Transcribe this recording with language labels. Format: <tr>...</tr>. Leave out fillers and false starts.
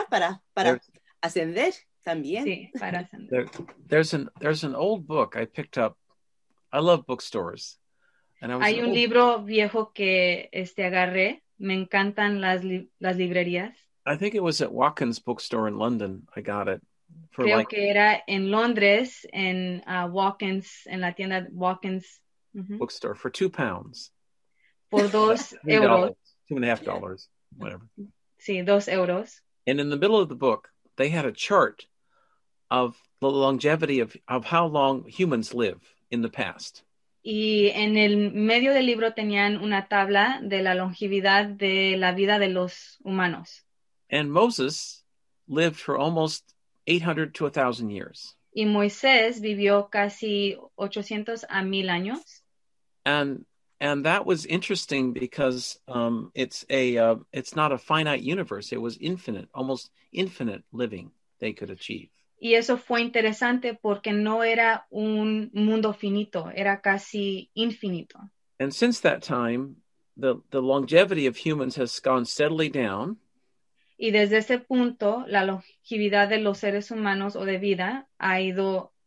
<es>¿Estás lista para ascender también? Sí, para ascender.</es> <en>There's an old book I picked up. I love bookstores. And I was</en> <es>un libro viejo que agarré. Me encantan las librerías.</es> <en>I think it was at Watkins Bookstore in London. I got it.</en> <es>Creo que era en Londres, en Watkins, en la tienda Watkins.</es> <en>Mm-hmm. Bookstore for £2.</en> <es>Por dos euros.</es> <en>$2.50, whatever.</en> <es>Sí, dos euros.</es> <en>And in the middle of the book, they had a chart of the longevity of how long humans live. In the past.</en> <es>Y en el medio del libro tenían una tabla de la longevidad de la vida de los humanos.</es> <en>And Moses lived for almost 800 to 1,000 years.</en> <es>Y Moisés vivió casi 800 a 1,000 años.</es> <en>And that was interesting because it's not a finite universe. It was infinite, almost infinite living they could achieve.</en> <es>Y eso fue interesante porque no era un mundo finito, era casi infinito.</es> <en>And since that time, the longevity of humans has gone steadily down.</en> <es>Y desde ese punto, la longevidad de los seres humanos o de vida ha ido,</es>